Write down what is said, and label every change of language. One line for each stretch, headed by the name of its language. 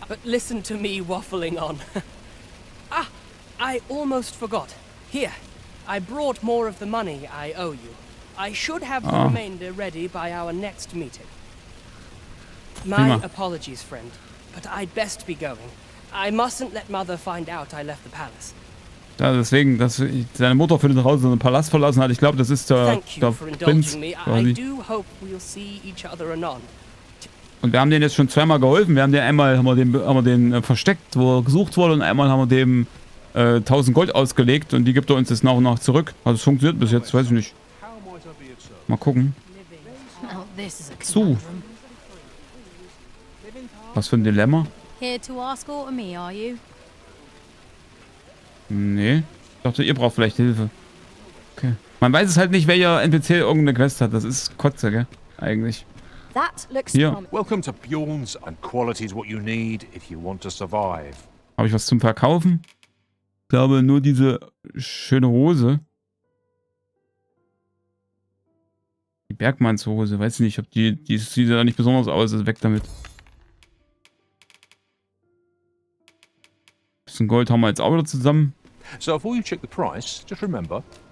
English: But listen to me waffling on. Ah, I almost forgot. Here, I brought more of the money I owe you. I should have the remainder ready by our next meeting. My apologies, friend, but I'd best be going. I mustn't let Mother find out I left the palace.
German: Ja, deswegen, dass seine Mutter für den Haus und den Palast verlassen hat. Ich glaube, das ist der Prinz.
English: I do hope we'll see each other anon.
German: Und wir haben den jetzt schon zweimal geholfen. Wir haben den einmal haben wir den versteckt, wo er gesucht wurde, und einmal haben wir dem 1000 Gold ausgelegt und die gibt er uns jetzt nach und nach zurück. Also es funktioniert bis jetzt, weiß ich nicht. Mal gucken. Zu. Was für ein Dilemma?
English: Here to escort me, are you?
German: Nee. Ich dachte, ihr braucht vielleicht Hilfe. Okay. Man weiß es halt nicht, wer ja NPC irgendeine Quest hat. Das ist Kotze, gell? Eigentlich.
English: That looks
German: hier.
English: Welcome to Bjorn's, and quality is what you need if you want to survive.
German: Habe ich was zum Verkaufen? Ich glaube, nur diese schöne Hose. Die Bergmannshose. Weiß ich nicht, ob die sieht da nicht besonders aus. Also weg damit. Gold haben wir jetzt auch wieder zusammen.
English: So, before you check the price, just remember.